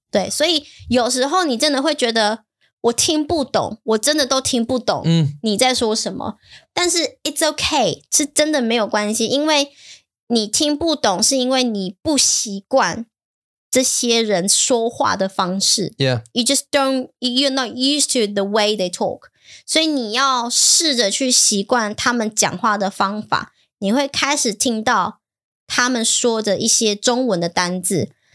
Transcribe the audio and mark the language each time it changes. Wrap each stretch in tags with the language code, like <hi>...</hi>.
<zh>对，所以有时候你真的会觉得我听不懂，我真的都听不懂你在说什么。但是</zh> <en>it's okay,</en> <zh>是真的没有关系，因为你听不懂是因为你不习惯这些人说话的方式。</zh> <en>Yeah. You just don't, you're not used to the way they talk.</en> <zh>所以你要试着去习惯他们讲话的方法，你会开始听到他们说的一些中文的单字。</zh>